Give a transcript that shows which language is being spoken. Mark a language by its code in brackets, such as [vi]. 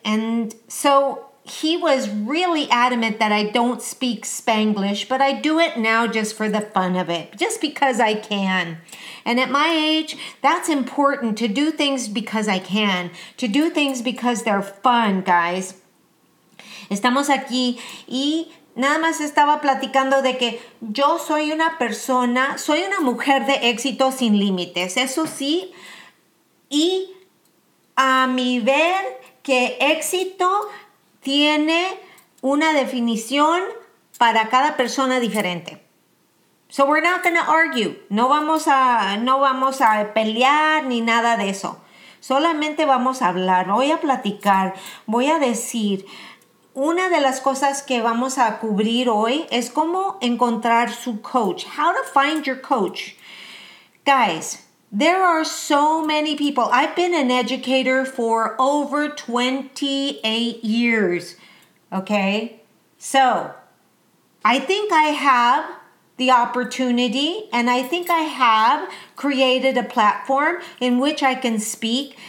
[en] And so he was really adamant that I don't speak Spanglish, but I do it now just for the fun of it, just because I can. And at my age, that's important, to do things because I can, to do things because they're fun, guys. [es] Estamos aquí y nada más estaba platicando de que yo soy una persona, soy una mujer de éxito sin límites, eso sí. Y a mi ver que éxito tiene una definición para cada persona diferente. [en] So we're not going to argue. [es] No vamos a pelear ni nada de eso. Solamente vamos a hablar, voy a platicar, voy a decir. Una de las cosas que vamos a cubrir hoy es cómo encontrar su coach. [en] How to find your coach. Guys, there are so many people. I've been an educator for over 28 years, okay? So, I think I have the opportunity and I think I have created a platform in which I can speak.